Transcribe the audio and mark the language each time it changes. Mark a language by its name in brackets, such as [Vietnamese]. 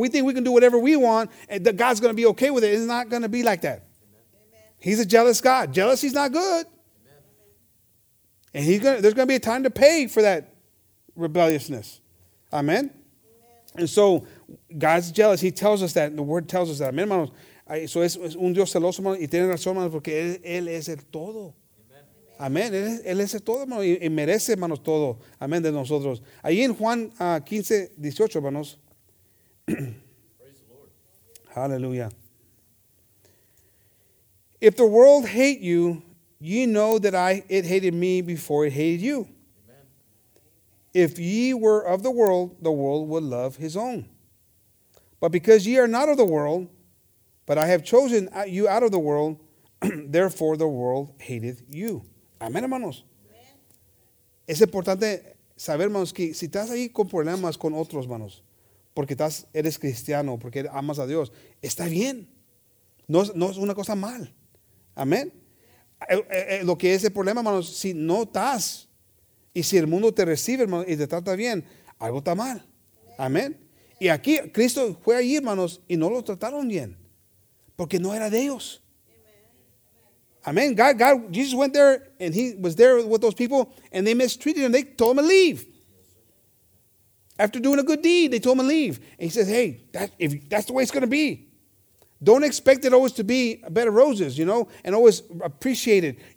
[English] We think we can do whatever we want and that God's going to be okay with it. It's not going to be like that. Amen. He's a jealous God. Jealousy's not good. Amen. And there's going to be a time to pay for that rebelliousness. Amen? Amen. And so God's jealous. He tells us that. And the word tells us that. [Spanish] Amen, hermanos. Eso es un Dios celoso, hermanos. Y tiene razón, hermanos, porque él es el todo. Amén. Él es todo, hermano, y merece, hermanos, todo. Amén, de nosotros. Ahí en Juan 15, 18, hermanos. [English] Praise the Lord. Hallelujah. If the world hate you, ye know that it hated me before it hated you. Amen. If ye were of the world would love his own. But because ye are not of the world, but I have chosen you out of the world, therefore the world hateth you. [Spanish] Amén, hermanos. Amen. Es importante saber, hermanos, que si estás ahí con problemas con otros, hermanos, porque eres cristiano, porque amas a Dios, está bien. No es una cosa mal. Amén. Lo que es el problema, hermanos, si no estás y si el mundo te recibe, hermanos, y te trata bien, algo está mal. Amén. Y aquí Cristo fue ahí, hermanos, y no lo trataron bien, porque no era de ellos. [English] Amen. God, Jesus went there and he was there with those people and they mistreated him. They told him to leave. After doing a good deed, they told him to leave. And he says, hey, that's the way it's going to be. Don't expect it always to be a bed of roses, you know, and always appreciate it.